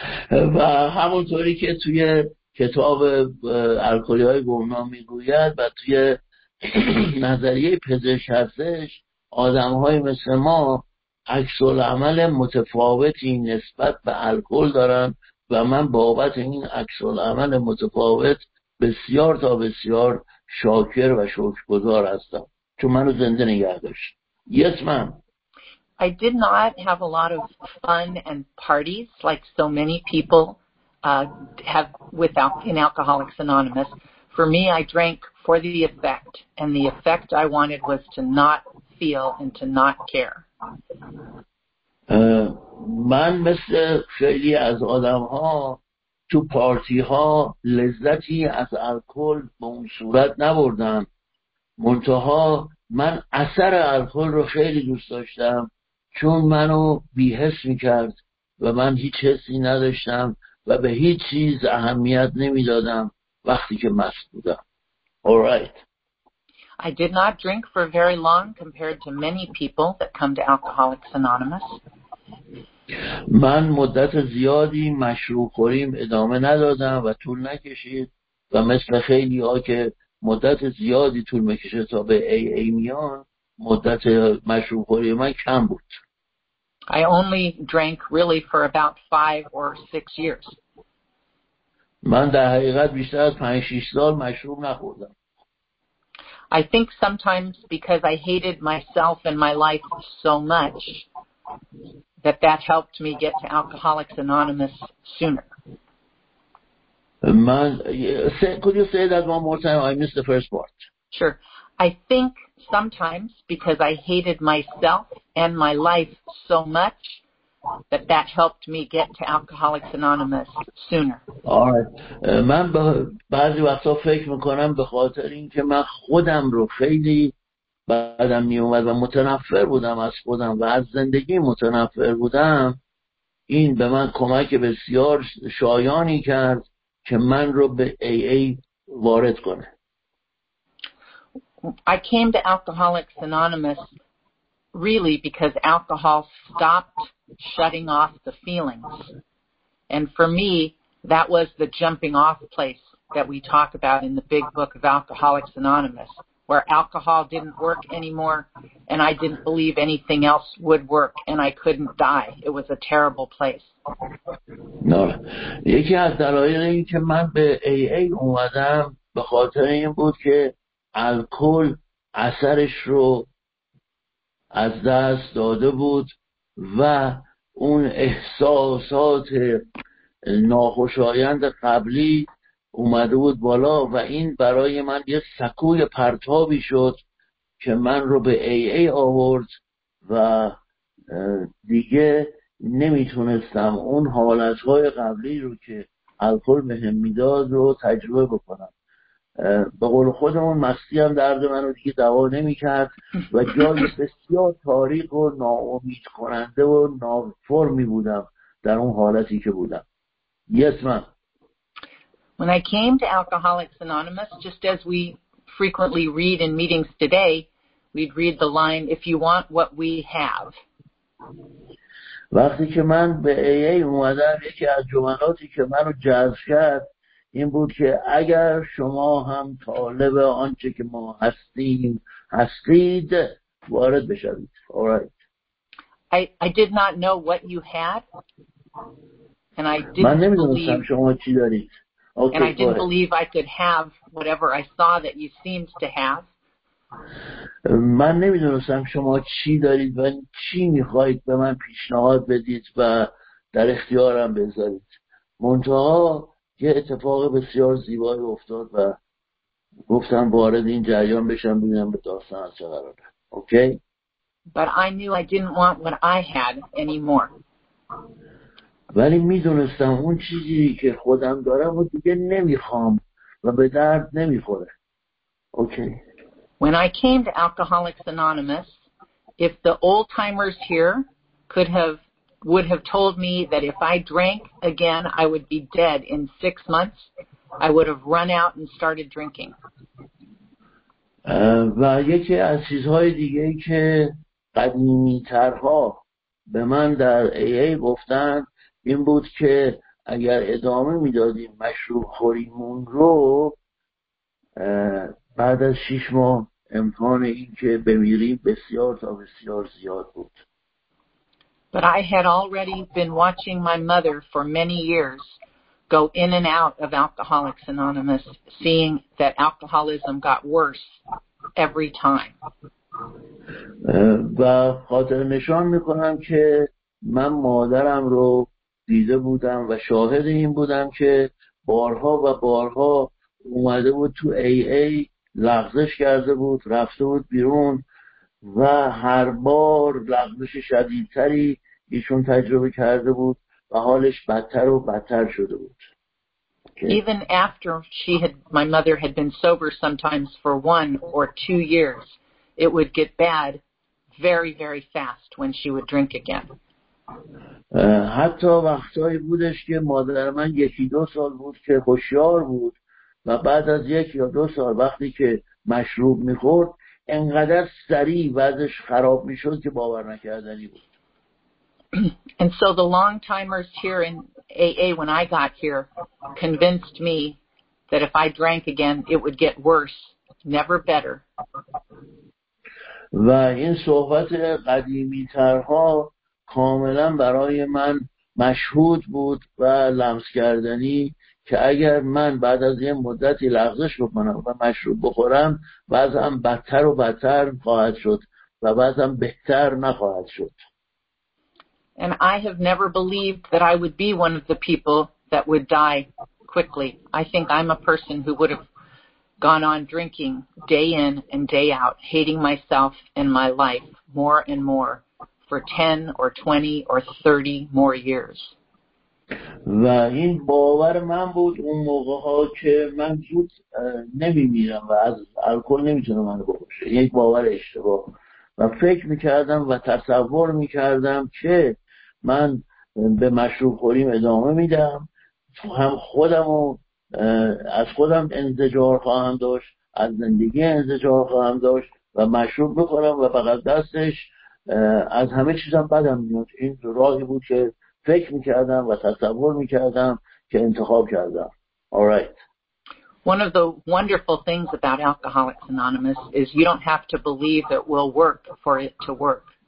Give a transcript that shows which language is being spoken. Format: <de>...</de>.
<fa>و همونطوری که توی کتاب الکلی‌های گمنام میگوید و توی نظریه پزشک هستش، آدم‌های مثل ما عکس العمل متفاوتی نسبت به الکل دارن و من بابت این عکس العمل متفاوت بسیار تا بسیار شاکر و شکرگزار هستم، چون منو زنده نگه داشت.</fa> <en>Yes, ma'am. I did not have a lot of fun and parties like so many people have without in Alcoholics Anonymous. For me, I drank for the effect, and the effect I wanted was to not feel and to not care.</en> <fa>من مثل خیلی از آدم ها تو پارتی ها لذتی از الکل به اون صورت نبردم، منتها من اثر الکل رو خیلی دوست داشتم، چون منو بی‌حس می‌کرد و من هیچ حسی نداشتم و به هیچ چیز اهمیت نمیدادم وقتی که مست بودم.</fa> <en>All right. I did not drink for very long compared to many people that come to Alcoholics Anonymous.</en> <fa>من مدت زیادی مشروب خوریم ادامه ندادم و طول نکشید و مثل خیلی ها که مدت زیادی طول میکشه تا به AA میان، مدت مشروب خوری من کم بود.</fa> <en>I only drank really for about 5 or 6 years.</en> <fa>من در حقیقت بیشتر از 5-6 سال مشروب نخوردم.</fa> <en>I think sometimes because I hated myself and my life so much that helped me get to Alcoholics Anonymous sooner. Could you say that one more time? I missed the first part. Sure. I think sometimes because I hated myself and my life so much that helped me get to Alcoholics Anonymous sooner. All right.</en> <fa>من بعضی وقتا فکر میکنم به خاطر اینکه من خودم رو خیلی بعدم میومد و متنفر بودم از خودم و از زندگی متنفر بودم، این به من کمک بسیار شایانی کرد که من رو به AA وارد کنه.</fa> <en>I came to Alcoholics Anonymous really because alcohol stopped shutting off the feelings. And for me, that was the jumping off place that we talk about in the big book of Alcoholics Anonymous, where alcohol didn't work anymore, and I didn't believe anything else would work, and I couldn't die. It was a terrible place. No.</en> <fa>یکی از دلایل این که من به AA اومدم به خاطر این بود که الکل اثرش رو از دست داده بود و اون احساسات ناخوشایند قبلی اومده بود بالا و این برای من یه سکوی پرتابی شد که من رو به AA آورد و دیگه نمیتونستم اون حالتهای قبلی رو که الکل بهم میداد رو تجربه بکنم. به قول خودمون مستی هم درد من رو دیگه دوا نمیکرد و جایی بسیار تاریک و ناامید کننده و نافرمی بودم در اون حالتی که بودم.</fa> <en>Yes, ma'am. When I came to Alcoholics Anonymous, just as we frequently read in meetings today, we'd read the line, if you want what we have.</en> <fa>وقتی که من به AA اومدم، یکی از جملاتی که منو جذب کرد این بود که اگر شما هم طالب آنچه که ما هستیم هستید، وارد بشوید.</fa> <en>All right. I did not know what you had. And I didn't believe I could have whatever I saw that you seemed to have.</en> <fa>من نمیدونستم شما چی دارید و چی میخواید به من پیشنهاد بدید و در اختیارم بذارید. منتها یه اتفاق بسیار زیبایی افتاد و گفتم وارد این جریان بشم ببینم به داستان از چه قراره.</fa> <en>Okay? But I knew I didn't want what I had anymore.</en> <fa>ولی میدونستم اون چیزی که خودم دارم و دیگه نمیخوام و به درد نمیخوره.</fa> <en>Okay. When I came to Alcoholics Anonymous, if the old timers here would have told me that if I drank again I would be dead in 6 months, I would have run out and started drinking.</en> <fa>و یکی از چیزهای دیگه که قدیمیترها به من در AA گفتن این بود که اگر ادامه میدادیم مشروب خوریمون رو بعد از 6 ماه امکان این که بمیریم بسیار تا بسیار زیاد بود.</fa> <en>But I had already been watching my mother for many years go in and out of Alcoholics Anonymous, seeing that alcoholism got worse every time.</en> <fa>و خاطر نشان میکنم که من مادرم رو دیده بودم و شاهد این بودم که بارها و بارها اومده بود تو AA، لغزش کرده بود، رفته بود بیرون و هر بار لغزش شدیدتری ایشون تجربه کرده بود و حالش بدتر و بدتر شده بود.</fa> <en>Okay. Even after my mother had been sober sometimes for 1 or 2 years, it would get bad very very fast when she would drink again.</en> <fa>حتی وقتایی بودش که مادر من 1-2 سال بود که هوشیار بود و بعد از 1-2 سال وقتی که مشروب میخورد انقدر سریع وضعش خراب میشد که باور نکردنی بود.</fa> <en>And so the long timers here in AA when I got here convinced me that if I drank again it would get worse, never better.</en> <fa>و این صحبت قدیمی ترها کاملا برای من مشهود بود و لمس کردنی که اگر من بعد از یه مدتی لغزش بکنم و مشروب بخورم وضعم بدتر و بدتر خواهد شد و وضعم بهتر نخواهد شد.</fa> <en>And I have never believed that I would be one of the people that would die quickly. I think I'm a person who would have gone on drinking day in and day out, hating myself and my life more and more for 10 or 20 or 30 more years.</en> <fa>و این باور من بود اون موقع ها که من زود نمیمیرم و از الکل نمیتونه من بکشه. یک باور اشتباه. و فکر میکردم و تصور میکردم که من به مشروب خوریم ادامه میدم، هم خودم از خودم انزجار خواهم داشت، از زندگی انزجار خواهم داشت و مشروب بخورم و فقط دستش از همه چیزم بدم میاد. این راهی بود که فکر میکردم و تصور میکردم که انتخاب کردم.</fa> <en>Alright. One of the wonderful things about Alcoholics Anonymous is you don't have to believe it will work for it to work.</en>